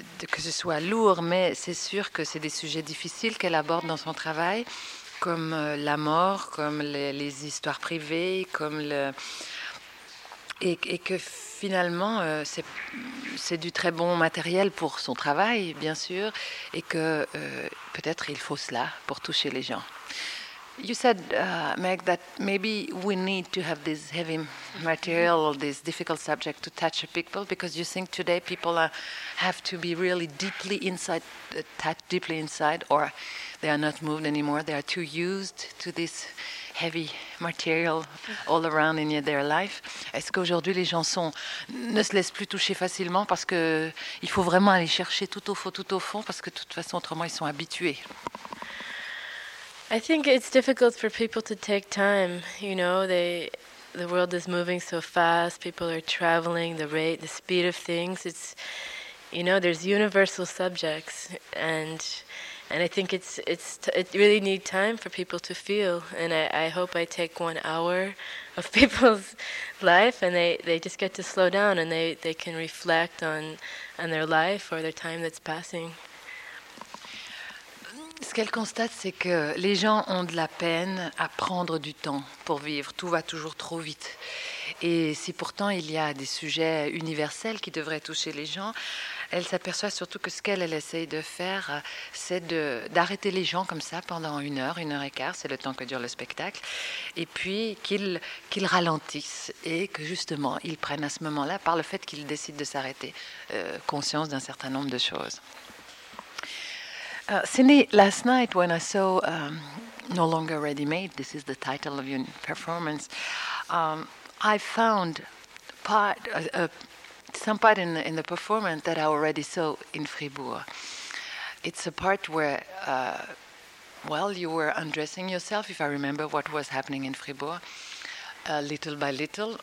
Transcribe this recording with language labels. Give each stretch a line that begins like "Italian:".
French: Que ce soit lourd, mais c'est sûr que c'est des sujets difficiles qu'elle aborde dans son travail, comme la mort, comme les histoires privées, comme le. Et que finalement, c'est du très bon matériel pour son travail, bien sûr, et que peut-être il faut cela pour toucher les gens.
English: You said, Meg, that maybe we need to have this heavy material, this difficult subject to touch people, because you think today people have to be really deeply inside, deeply inside, or they are not moved anymore. They are too used to this heavy material all around in their life.
French: Est-ce qu'aujourd'hui les gens ne se laissent plus toucher facilement parce que il faut vraiment aller chercher tout au fond parce que de toute façon autrement ils sont habitués.
English: I think it's difficult for people to take time. You know, the world is moving so fast. People are traveling. The rate, the speed of things. It's, you know, there's universal subjects, and I think it really need time for people to feel. And I hope I take 1 hour of people's life, and they just get to slow down, and they can reflect on their life or their time that's passing.
French: Ce qu'elle constate, c'est que les gens ont de la peine à prendre du temps pour vivre. Tout va toujours trop vite. Et si pourtant il y a des sujets universels qui devraient toucher les gens, elle s'aperçoit surtout que ce qu'elle elle essaye de faire, c'est d'arrêter les gens comme ça pendant une heure et quart, c'est le temps que dure le spectacle, et puis qu'ils ralentissent et que justement ils prennent à ce moment-là, par le fait qu'ils décident de s'arrêter, conscience d'un certain nombre de choses.
English: Cindy, last night when I saw No Longer Ready Made, this is the title of your performance, I found some part in the performance that I already saw in Fribourg. It's a part where, you were undressing yourself, if I remember what was happening in Fribourg, little by little.